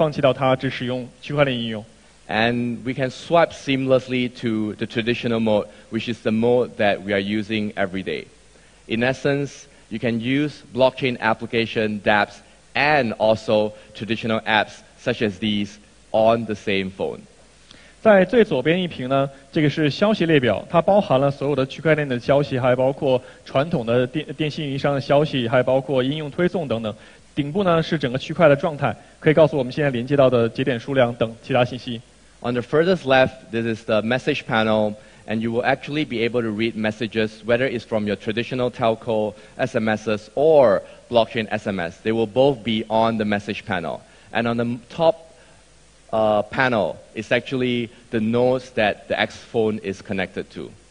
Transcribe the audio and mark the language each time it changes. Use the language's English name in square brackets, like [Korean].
[Chinese] 右边的这个屏幕呢是传统的安卓应用屏幕，所以呢，XPhone可以兼容所有的安卓程序，包括Facebook、WhatsApp等所有的应用，你不必需要就是放弃掉它，只使用区块链应用。 [English] And we can swipe seamlessly to the traditional mode, which is the mode that we are using every day. In essence, you can use blockchain application dApps and also traditional apps such as these on the same phone. [Chinese] 在最左边一屏呢，这个是消息列表，它包含了所有的区块链的消息，还包括传统的电信运营商的消息，还包括应用推送等等。顶部呢是整个区块的状态，可以告诉我们现在连接到的节点数量等其他信息。 [English] On the furthest left, this is the message panel, and you will actually be able to read messages, whether it's from your traditional telco SMSs or blockchain SMS. They will both be on the message panel. And on the top panel is actually the nodes that the XPhone is connected to.